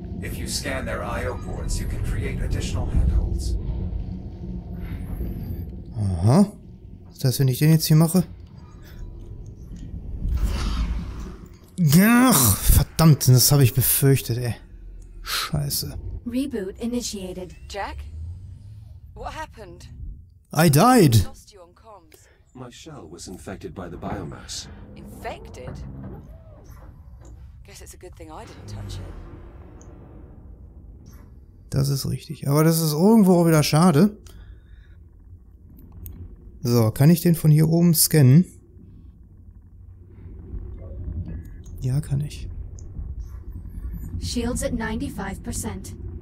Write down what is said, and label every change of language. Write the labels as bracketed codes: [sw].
[en] If you scan their IO ports, you can create additional handholds. Aha. [de] Ist das, wenn ich den jetzt hier mache? Ach, verdammt, das habe ich befürchtet, ey. Scheiße. [en] Reboot initiated. Jack? What happened? I died. My shell was infected by the biomass. Infected? Guess it's a good thing I didn't touch it. [de] Das ist richtig. Aber das ist irgendwo auch wieder schade. So, kann ich den von hier oben scannen? Ja, kann ich. [en] Shields at 95%.